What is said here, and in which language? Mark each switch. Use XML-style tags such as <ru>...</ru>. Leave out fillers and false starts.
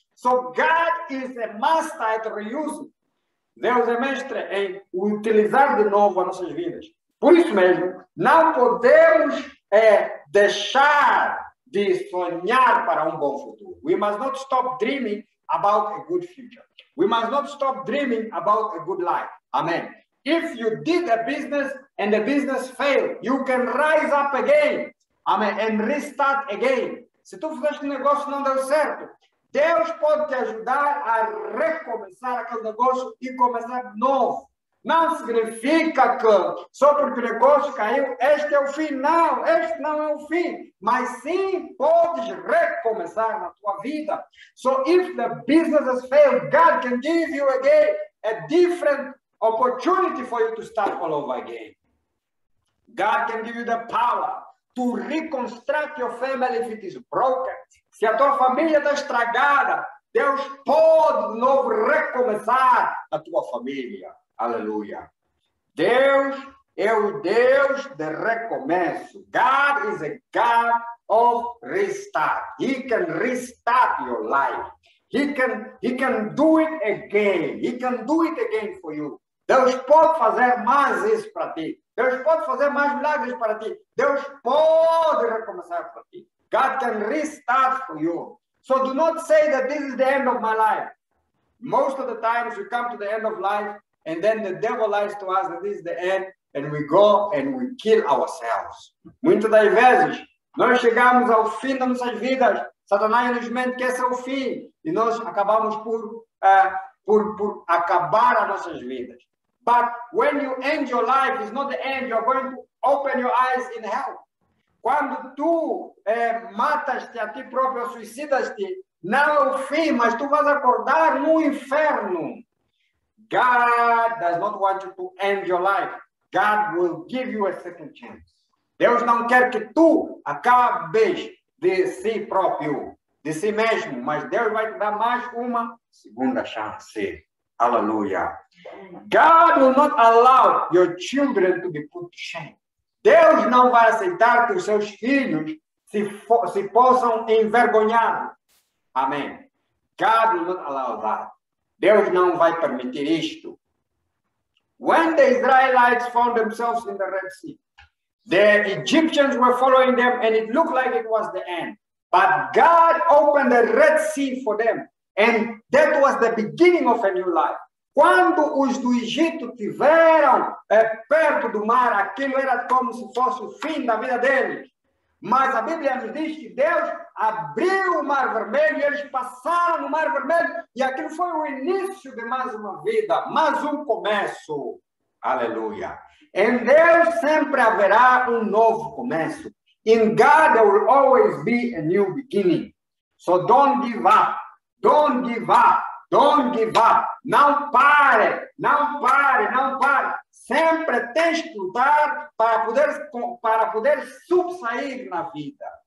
<en>So God is a master at reusing.</en> <pt>Deus é mestre em utilizar de novo as nossas vidas. Por isso mesmo, não podemos deixar de sonhar para bom futuro.</pt> <en>We must not stop dreaming about a good future. We must not stop dreaming about a good life. Amen. If you did a business and the business failed, you can rise up again. Amen. And restart again.</en> <pt>Se tu fizeste negócio não deu certo, Deus pode te ajudar a recomeçar aquele negócio e começar de novo. Não significa que só porque o negócio caiu, este é o fim. Não, este não é o fim. Mas sim, podes recomeçar na tua vida.</pt> <en>So if the business has failed, God can give you again a different opportunity for you to start all over again. God can give you the power to reconstruct your family if it is broken.</en> <pt>Se a tua família está estragada, Deus pode de novo recomeçar a tua família. Aleluia. Deus é o Deus de recomeço.</pt> <en>God is a God of restart. He can restart your life. He can do it again. He can do it again for you.</en> <pt>Deus pode fazer mais isso para ti. Deus pode fazer mais milagres para ti. Deus pode recomeçar para ti.</pt> <en>God can restart for you. So do not say that this is the end of my life. Most of the times you come to the end of life and then the devil lies to us that this is the end and we go and we kill ourselves.</en> <pt>Muitas das vezes nós chegamos ao fim das nossas vidas. Satanás nos mente que esse é o fim. E nós acabamos por acabar as nossas vidas.</pt> <en>But when you end your life, it's not the end. You're going to open your eyes in hell.</en> <pt>Quando tu matas-te a ti próprio, suicidas-te, não é o fim, mas tu vas acordar no inferno.</pt> <en>God does not want you to end your life. God will give you a second chance.</en> <pt>Deus não quer que tu acabes de si próprio, de si mesmo, mas Deus vai te dar mais uma segunda chance. Aleluia.</pt> <en>God will not allow your children to be put to shame.</en> <pt>Deus não vai aceitar que os seus filhos se possam envergonhar.</pt> <en>Amém. God will not allow that.</en> <pt>Deus não vai permitir isto.</pt> <en>When the Israelites found themselves in the Red Sea, The Egyptians were following them, and it looked like it was the end. But God opened the Red Sea for them, and that was the beginning of a new life.</en> <pt>Quando os do Egito tiveram perto do mar, aquilo era como se fosse o fim da vida deles. Mas a Bíblia nos diz que Deus abriu o Mar Vermelho e eles passaram no Mar Vermelho. E aquilo foi o início de mais uma vida, mais um começo. Aleluia. Em Deus sempre haverá um novo começo.</pt> <en>In God there will always be a new beginning. So don't give up. Don't give up. Don't give up.</en> <pt>Não pare. Não pare. Não pare. Sempre tens que lutar para poder subsair na vida.</pt>